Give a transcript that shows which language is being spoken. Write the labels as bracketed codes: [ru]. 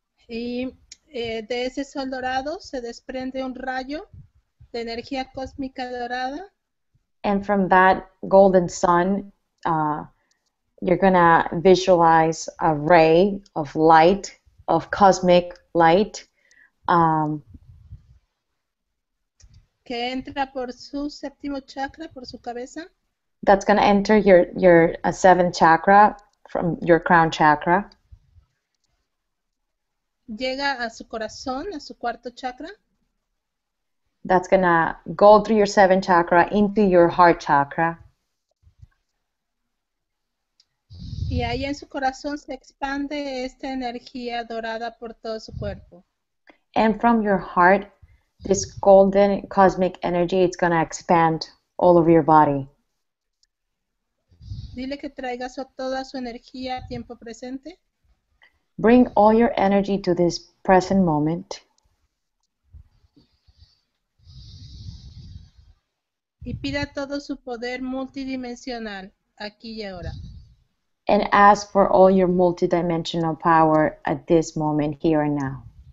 [es] Y de ese sol dorado se desprende un rayo de energía cósmica dorada. [en] And from that golden sun, you're gonna visualize a ray of light, of cosmic light, [es] que entra por su séptimo chakra, por su cabeza. [en] That's gonna enter your seventh chakra from your crown chakra. [es] Llega a su corazón, a su cuarto chakra. [en] That's gonna go through your seventh chakra into your heart chakra. [es] Y ahí en su corazón se expande esta energía dorada por todo su cuerpo. [en] And from your heart, this golden cosmic energy, it's going to expand all over your body. [es] Dile que traiga toda su energía a tiempo presente. [en] Bring all your energy to this present moment. [es] Y pida todo su poder multidimensional, aquí y ahora. [en] And ask for all your multidimensional power at this moment, here and now.